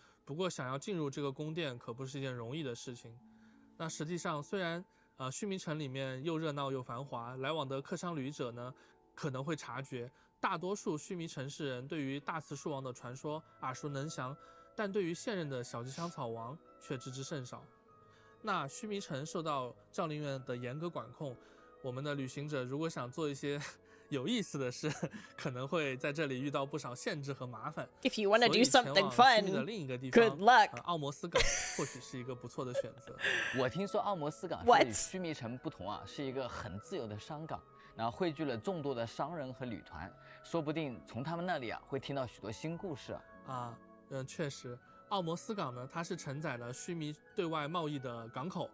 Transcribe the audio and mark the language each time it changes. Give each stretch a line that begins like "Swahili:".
Chinese: 不过想要进入这个宫殿可不是一件容易的事情。那实际上虽然须弥城里面又热闹又繁华，来往的客商旅者呢可能会察觉，大多数须弥城市人对于大慈树王的传说耳熟能详，但对于现任的小吉祥草王却知之甚少。那须弥城受到教令院的严格管控，我们的旅行者如果想做一些有意思的事，可能会在这里遇到不少限制和麻烦。
English: If you want to do something fun, good luck.
Chinese: 奥摩斯港或许是一个不错的选择。我听说奥摩斯港是与须弥城不同啊，是一个很自由的商港，然后汇聚了众多的商人和旅团，说不定从他们那里啊会听到许多新故事啊。确实，奥摩斯港呢，它是承载了须弥对外贸易的港口。